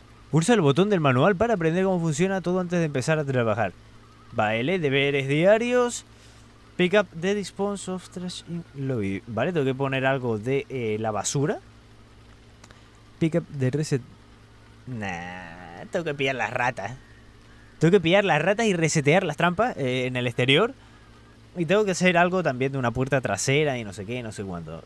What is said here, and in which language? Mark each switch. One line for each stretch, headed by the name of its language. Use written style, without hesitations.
Spanish: Pulsa el botón del manual para aprender cómo funciona todo antes de empezar a trabajar. Vale, deberes diarios.
English: Pick up the dispose of trash in lobby.
Spanish: Vale, tengo que poner algo de la basura.
English: Pick up the reset.
Spanish: Nah, tengo que pillar las ratas. Tengo que pillar las ratas y resetear las trampas en el exterior. Y tengo que hacer algo también de una puerta trasera y no sé qué, no sé cuándo.